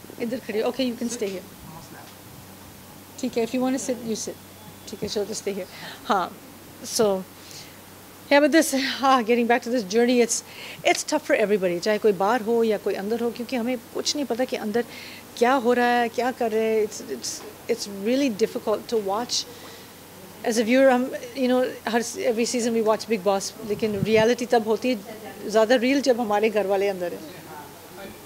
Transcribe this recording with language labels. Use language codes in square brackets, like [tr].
[hi] इधर खड़े हो। [en] Okay, you can stay here. ठीक है, if you want to sit, you sit. ठीक है, she'll just stay here. हाँ, so yeah, but this, getting back to this journey, it's tough for everybody. [hi] चाहे कोई बाहर हो या कोई अंदर हो, क्योंकि हमें कुछ नहीं पता कि अंदर क्या हो रहा है, क्या कर रहे हैं. [en] It's really difficult to watch. As a viewer, you know, every season we watch Big Boss, [hi] लेकिन reality तब होती है ज़्यादा real जब हमारे घर वाले अंदर हैं.